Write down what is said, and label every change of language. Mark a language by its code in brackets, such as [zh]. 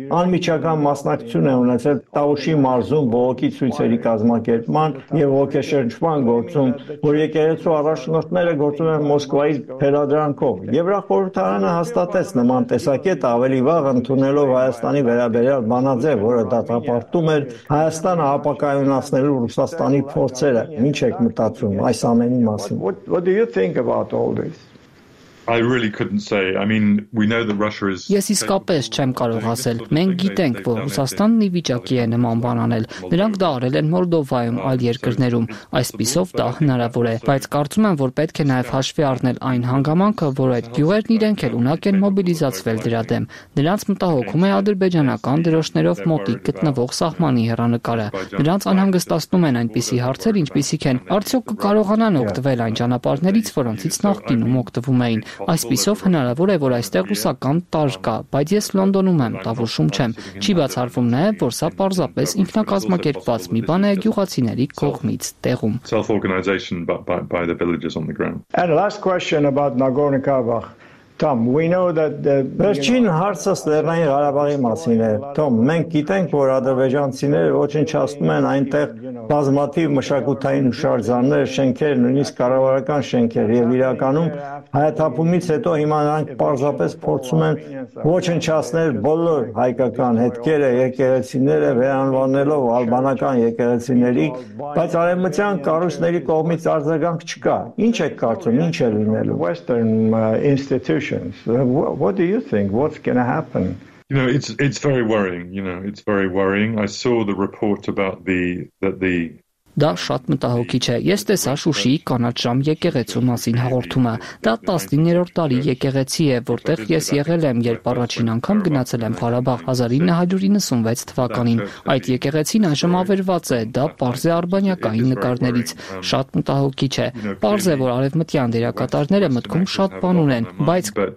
[hy] անմիջական մասնակցություն է ունեցել Տաուշի մարզում բողոքի ցույցերի կազմակերպման եւ ոգեշնչման գործում, որ եկեղեցու առաջնորդները գործում են Մոսկվայի թերադրանքով։ Եվրախորհրդարանը հաստատեց նման տեսակետը ավելի վաղ, ընդունելով Հայաստանի վերաբերյալ բանաձև, որը դատապարտում էր Հայաստանը ապակայունացնելու Ռուսաստանի փորձերը։ Ինչ եք մտածում այս ամենի մասին։ [en] What do you think about all this? I really couldn't say. I mean, we know that Russia is Yes, [hy] իսկապես չեմ կարող ասել։ Մենք գիտենք, որ Ռուսաստանն ի վիճակի է նման բան անել։ Նրանք դա արել են Մոլդովայում, այլ երկրներում։ Այս պիսով դա հնարավոր է, բայց կարծում եմ, որ պետք է նաև հաշվի առնել այն հանգամանքը, որ այդ գյուղերն իրենք էլ ունակ են մոբիլիզացվել դրա դեմ։ Նրանց մտահոգում է ադրբեջանական դրոշներով մոտիկ գտնվող սահմանի հեռանկարը։ Նրանց անհանգստացնում են այնպիսի հարցեր, ինչպիսիք են. Արդյոք կկարողանան օգտվել այն ճանապարհներից, որոնցից նախկինում օգտվում էին։ Այսպիսով հնարավոր է, որ այստեղ ռուսական տարր կա, բայց ես Լոնդոնում եմ, տավուշում չեմ։ Չի բացառվում նաև, որ սա պարզապես ինքնակազմակերպված մի բան է գյուղացիների կողմից տեղում։ [en] And last question about Nagorno-Karabakh. Tom, we know that the [hy] Վերջին հարցը Լեռնային Ղարաբաղի մասին է։ Թոմ, մենք գիտենք, որ ադրբեջանցիները ոչնչացնում են այնտեղ բազմաթիվ մշակութային հուշարձաններ, շենքեր, նույնիսկ կառավարական շենքեր, եւ իրականում հայաթափումից հետո հիմա նրանք պարզապես փորձում են ոչնչացնել բոլոր հայկական հետքերը, եկեղեցիները վերանվանելով ալբանական եկեղեցիների, բայց արևմտյան կառույցների կողմից արձագանք չկա։ Ի՞նչ եք կարծում, ի՞նչ է լինելու։ [en] What do you think? What's going to happen? You know, it's very worrying. You know, it's very worrying. I saw the report about the [hy] Դա շատ մտահոգիչ է։ Ես տեսա Շուշիի կանաչ ժամ եկեղեցու մասին հաղորդումը։ Դա 19-րդ տարի եկեղեցի է, որտեղ ես եղել եմ, երբ առաջին անգամ գնացել եմ Ղարաբաղ 1996 թվականին։ Այդ եկեղեցին այժմ ավերված է, դա պարզ է արբանյակային նկարներից։ Շատ մտահոգիչ է։ Պարզ է, որ արևմտյան դերակատարները մտքում շատ բան ունեն, բայց